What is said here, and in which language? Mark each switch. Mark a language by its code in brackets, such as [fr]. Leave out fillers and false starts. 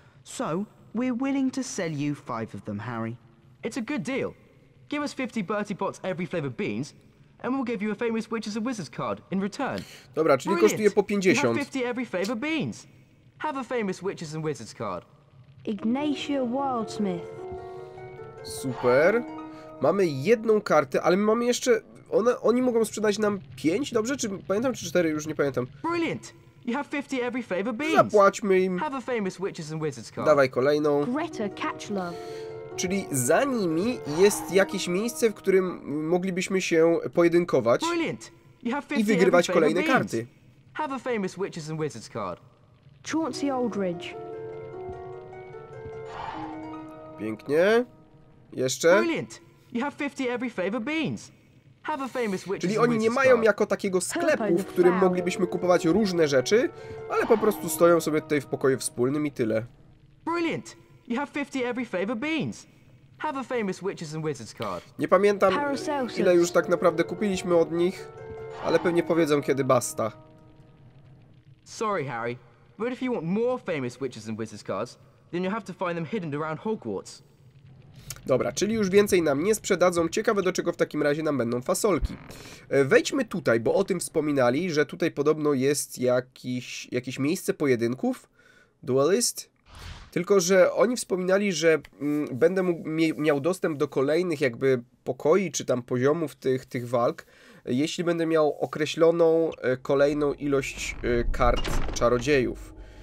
[en] So, we're willing to sell you 5 of them, Harry. It's a good deal. Give us 50 Bertie Bott's every flavored beans, and we'll give you a famous Witches and Wizards card in return. [pl] Dobra, czyli [en] Brilliant. [pl] Kosztuje po 50. [en] You have 50 every flavored beans. Have a famous Witches and Wizards card. Ignatia Wildsmith. [pl] Super. Mamy jedną kartę, ale my mamy jeszcze... Oni mogą sprzedać nam 5, dobrze? Czy pamiętam, czy 4? Już nie pamiętam. [en] Brilliant. You have 50 every flavor beans. [pl] Zapłaćmy im. [en] Have a famous witches and wizards card. [pl] Dawaj kolejną. [en] Greta Catchlove. [pl] Czyli za nimi jest jakieś miejsce, w którym moglibyśmy się pojedynkować. [en] Brilliant. You have 50 [pl] i wygrywać kolejne karty. [en] Have a famous witches and wizards card. Chauncey Aldridge. [pl] Pięknie. Jeszcze. [en] Brilliant. You have 50 every flavor beans. Have a famous witch. [pl] Czyli oni nie mają jako takiego sklepu, w którym moglibyśmy kupować różne rzeczy, ale po prostu stoją sobie tutaj w pokoju wspólnym i tyle. [en] Brilliant. You have 50 every flavor beans. Have a famous witches and wizards card. [pl] Nie pamiętam, ile już tak naprawdę kupiliśmy od nich, ale pewnie powiedzą, kiedy basta. [en] Sorry, Harry. But if you want more famous witches and wizards cards, then you have to find them hidden around Hogwarts. [pl] Dobra, czyli już więcej nam nie sprzedadzą. Ciekawe, do czego w takim razie nam będą fasolki. Wejdźmy tutaj, bo o tym wspominali, że tutaj podobno jest jakieś miejsce pojedynków. Duelist. Tylko że oni wspominali, że będę miał dostęp do kolejnych jakby pokoi, czy tam poziomów tych walk, jeśli będę miał określoną kolejną ilość kart czarodziejów.